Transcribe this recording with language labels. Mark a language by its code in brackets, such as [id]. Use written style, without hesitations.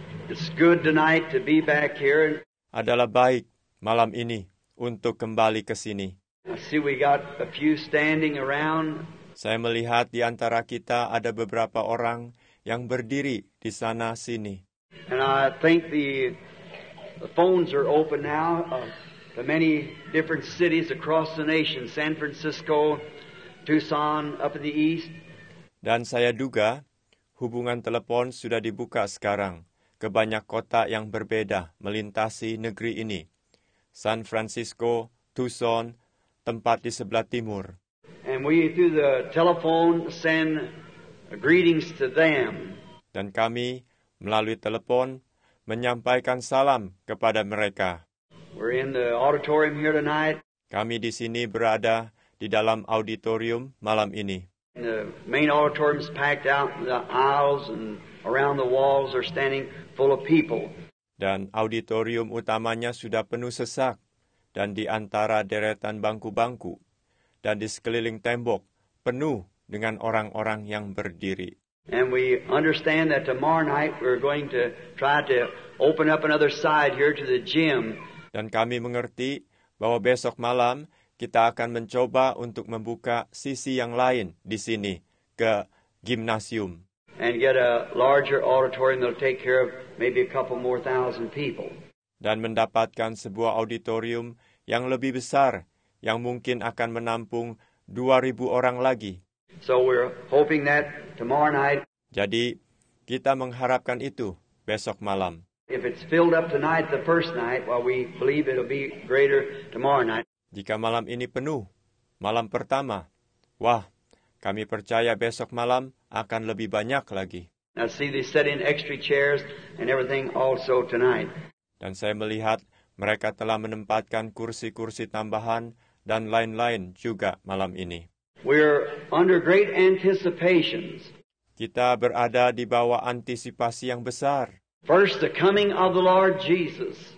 [en] It's good tonight to be back here. [id] Adalah baik malam ini untuk kembali ke sini. [en] I see we got a few standing around. [id] Saya melihat di antara kita ada beberapa orang yang berdiri di sana sini. [en] And I think the The phones are open now to many different cities across the nation, San Francisco, Tucson, up in the east. [id] Dan saya duga hubungan telepon sudah dibuka sekarang ke banyak kota yang berbeda melintasi negeri ini. San Francisco, Tucson, tempat di sebelah timur. [en] And we, through the telephone, send greetings to them. [id] Dan kami melalui telepon menyampaikan salam kepada mereka. [en] We're in the auditorium here tonight. [id] Kami di sini berada di dalam auditorium malam ini. [en] The main auditorium is packed out, the aisles and around the walls are standing full of people. [id] Dan auditorium utamanya sudah penuh sesak, dan di antara deretan bangku-bangku, dan di sekeliling tembok, penuh dengan orang-orang yang berdiri. [en] And we understand that tomorrow night we're going to try to open up another side here to the gym. [id] Dan kami mengerti bahwa besok malam kita akan mencoba untuk membuka sisi yang lain di sini, ke gymnasium. [en] And get a larger auditorium that'll take care of maybe a couple more thousand people. [id] Dan mendapatkan sebuah auditorium yang lebih besar, yang mungkin akan menampung 2,000 orang lagi. [en] So we're hoping that tomorrow night. [id] Jadi, kita mengharapkan itu besok malam. [en] If it's filled up tonight, the first night, well, we believe it'll be greater tomorrow night. [id] Jika malam ini penuh, malam pertama, wah, kami percaya besok malam akan lebih banyak lagi. [en] Now see, they set in extra chairs and everything also tonight. [id] Dan saya melihat mereka telah menempatkan kursi-kursi tambahan dan lain-lain juga malam ini. [en] We're under great anticipations. [id] Kita berada di bawah antisipasi yang besar. [en] First, the coming of the Lord Jesus.